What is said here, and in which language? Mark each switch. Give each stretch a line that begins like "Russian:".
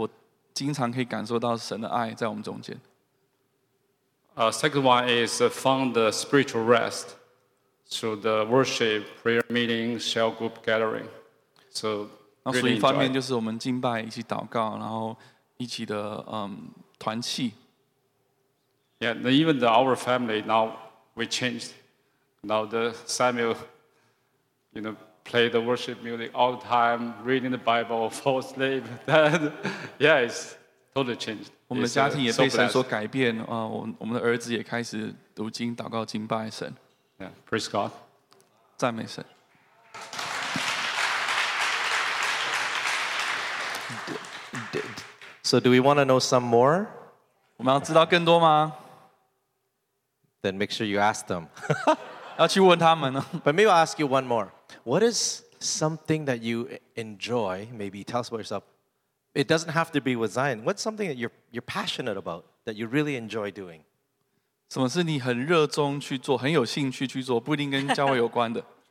Chinese: 很多的点滴，但其中一个就是我经常可以感受到神的爱在我们中间。
English: Second one is found the spiritual rest through the worship, prayer meeting, cell group gathering. So.
Chinese: 那属灵方面就是我们敬拜，一起祷告，然后一起的 团契。
English: Yeah, even our family now we changed. Now the Samuel, you know, play the worship music all the time, reading the Bible, fall asleep. Then, yeah, it's totally changed.
Chinese: 我们的家庭也被神所改变。我们的儿子也开始读经、祷告、敬拜神。
English: Yeah, praise God.
Chinese: 赞美神。
English: So do we want to know some more?
Chinese: 我们要知道更多吗?
English: Then make sure you ask them.
Chinese: 要去问他们呢?
English: But maybe I'll ask you one more. What is something that you enjoy? Maybe tell us about yourself. It doesn't have to be with Zion. What's something that you're passionate about that you really enjoy doing?
Chinese: 什么是你很热衷去做,很有兴趣去做, 不一定跟教会有关的。